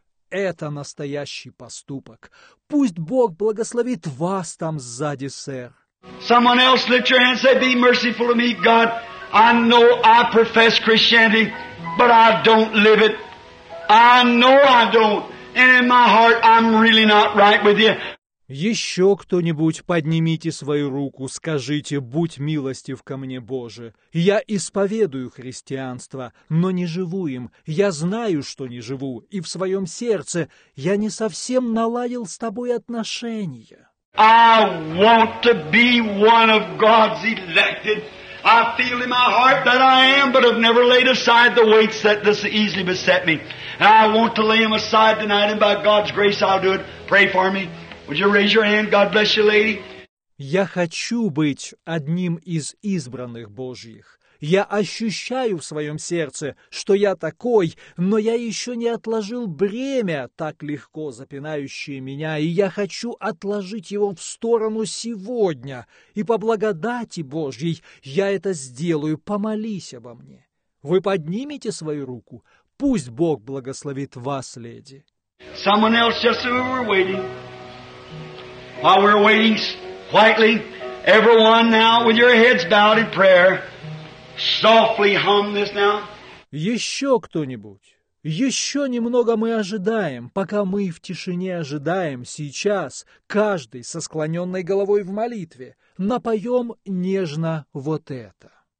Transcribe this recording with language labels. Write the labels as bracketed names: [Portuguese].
[Russian] Это настоящий поступок. Пусть Бог благословит вас там сзади, сэр. [English] Someone else lift your hands and say, be merciful to me, God. I know I profess Christianity, but I don't live it. I know I don't. And in my heart, I'm really not right with you. [Russian] Еще кто-нибудь, поднимите свою руку, скажите, будь милостив ко мне, Боже. Я исповедую христианство, но не живу им. Я знаю, что не живу, и в своем сердце я не совсем наладил с тобой отношения. [English] I want to be one of God's elected. I feel in my heart that I am, but I've never laid aside the weights that this easily beset me. And I want to lay them aside tonight, and by God's grace I'll do it. Pray for me. Would you raise your hand? God bless you, lady. [Russian] Я хочу быть одним из избранных Божьих. Я ощущаю в своем сердце, что я такой, но я еще не отложил бремя, так легко запинающее меня, и я хочу отложить его в сторону сегодня. И по благодати Божьей я это сделаю. Помолись обо мне. Вы поднимете свою руку? Пусть Бог благословит вас, леди. [English] Someone else just who we're waiting. While we're waiting quietly, everyone now with your heads bowed in prayer. Softly hum this now. [Russian] Еще кто-нибудь? Еще немного мы ожидаем, пока мы в тишине ожидаем сейчас, каждый со склоненной головой в молитве, напоем нежно вот это.